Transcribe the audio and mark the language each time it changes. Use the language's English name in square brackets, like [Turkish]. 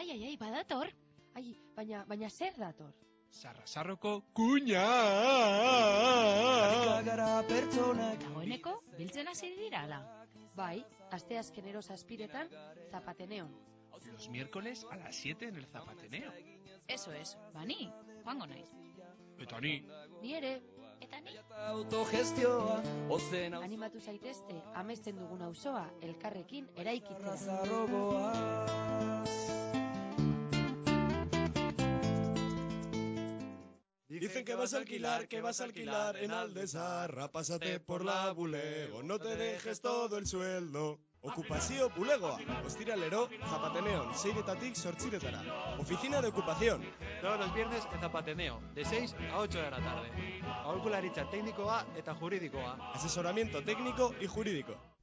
[Basque] Ai, badator. Ai, baina zer dator? Sarrasarroko kuña. Gara pertsonak. Dagoeneko biltzen hasi dira ala. Bai, asteazkenero 7etan Zapateneon. [Spanish] Los miércoles a las 7 en el Zapateneo. Eso es, bani, [Basque] joango naiz. Eta ni. Ni ere. Eta ni. Autogestioa. Ozen animatu zaitezte amesten dugun auzoa elkarrekin eraikitzera. Sarrasarrokoa. [Spanish] Dicen que vas a alquilar en Aldesarra, pásate por la Bulego, no te dejes todo el sueldo. [Basque] Ocupación Bulegoa, Ostiralero, Zapateneon, 6etatik 8etara. [Spanish] Oficina de ocupación. Todos los viernes en Zapateneo, de 6 a 8 de la tarde. [Basque] Aholkularitza teknikoa eta juridikoa. [Spanish] Asesoramiento técnico y jurídico.